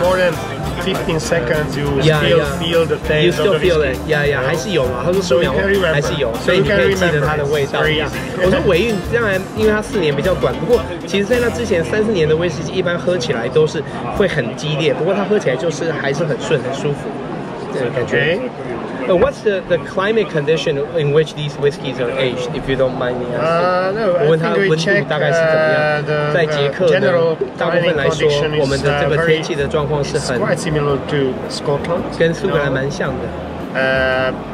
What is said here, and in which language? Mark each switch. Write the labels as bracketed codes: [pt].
[en] More than 15 seconds, you still feel the taste. You still feel it. [zh] Yeah, 还是有嘛，他说四秒还是有，所以你可以记得它的味道。我说尾韵，当然，因为它四年比较短，不过其实在那之前三四年的威士忌一般喝起来都是会很激烈，不过它喝起来就是还是很顺，很舒服，感觉。 [en] What's the climate condition in which these whiskies are aged, if you don't mind me asking? No, I think we check the general climate condition is quite similar to Scotland. [zh] 跟苏格兰蛮像的。